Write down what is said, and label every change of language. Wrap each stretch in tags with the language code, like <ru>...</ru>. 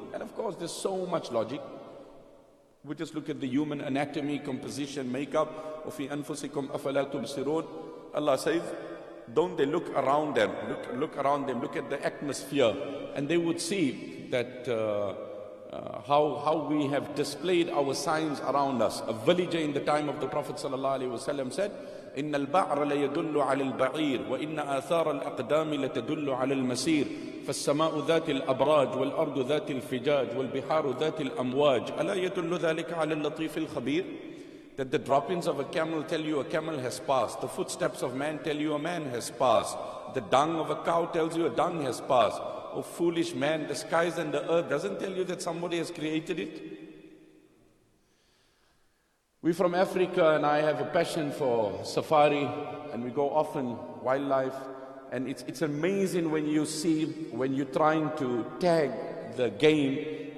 <en>And of course, there's so much logic. We just look at the human anatomy, composition, makeup.</en> <ar>وَفِي أَنفُسِكُمْ أَفَلَا تُبْصِرُونَ.</ar> <en>Allah says, don't they look around them, look around them, look at the atmosphere, and they would see that how we have displayed our signs around us. A villager in the time of the Prophet sallallahu alaihi wasallam said,</en> <ar>إن البعر ليدل على البعير وإن آثار الأقدام لتدل على المسير فالسماء ذات الأبراج والأرض ذات الفجاج والبحار ذات الأمواج ألا يدل ذلك على اللطيف الخبير.</ar> <en>That the droppings of a camel tell you a camel has passed. The footsteps of man tell you a man has passed. The dung of a cow tells you a dung has passed. O foolish man, the skies and the earth doesn't tell you that somebody has created it. We're from Africa and I have a passion for safari and we go often wildlife, and it's amazing when you see, when you're trying to tag the game</en>